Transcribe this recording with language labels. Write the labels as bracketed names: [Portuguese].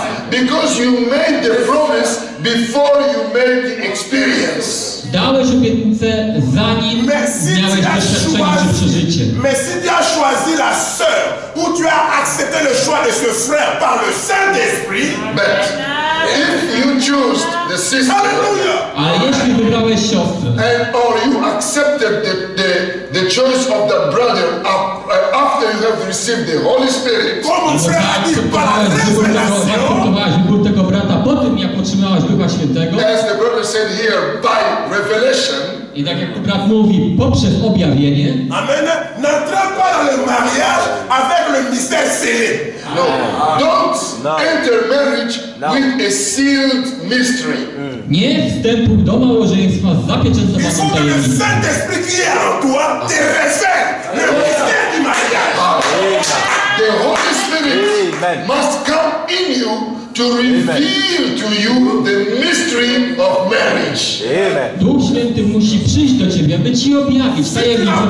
[English] Because you made the promise before you made the experience. [Polish] Dałeś obietnicę zanim miałeś doświadczenie czy przeżycie. [French] Mais si tu as choisi la sœur ou tu as accepté le choix de ce frère par le Saint-Esprit, [English] but if you choose the sister, [Polish] ale jeśli wybrałeś siostrę, [English] and or you accepted the choice of the brother after you have received the Holy Spirit, [Polish] akceptowałeś wybór tego brata po tym, jak otrzymałeś Ducha Świętego. [English] As the brother said here, by revelation. [Polish] I tak jak brat mówi, poprzez objawienie. Amen. [French] N'entrez pas dans le mariage avec le mystère scellé. [English] No. Don't enter marriage with a sealed mystery. [Polish] Nie wstępuj do małżeństwa z zapieczętowaną tajemnicą. [French] Il faut que le Saint-Esprit qui est en toi te révèle le mystère du mariage. [English] The Holy Spirit must come in you to reveal to you the mystery of marriage. [Polish] Duch Święty musi przyjść do ciebie, by ci objawić tajemnicę